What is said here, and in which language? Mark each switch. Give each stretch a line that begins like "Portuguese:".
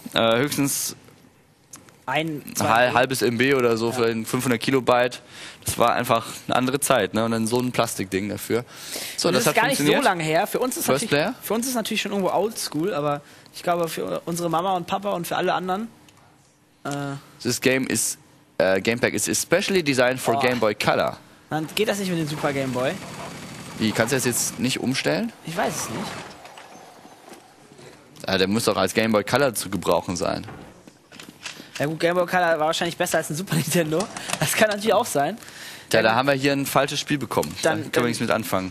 German: Höchstens ein halbes MB oder so, für 500 Kilobyte. Das war einfach eine andere Zeit, ne? Und dann so ein Plastikding dafür. So, das ist gar nicht so lange her. Für uns ist natürlich schon irgendwo oldschool, aber ich glaube, für unsere Mama und Papa und für alle anderen.
English: This game is Gamepack is especially designed for Game Boy Color.
German: Dann geht das nicht mit dem Super Game Boy. Wie, kannst du das jetzt nicht umstellen? Ich weiß es nicht. Der muss doch als Game Boy Color zu gebrauchen sein. Ja gut, Game Boy Color war wahrscheinlich besser als ein Super Nintendo. Das kann natürlich auch sein. Ja, da haben wir hier ein falsches Spiel bekommen. Dann können wir nichts mit anfangen.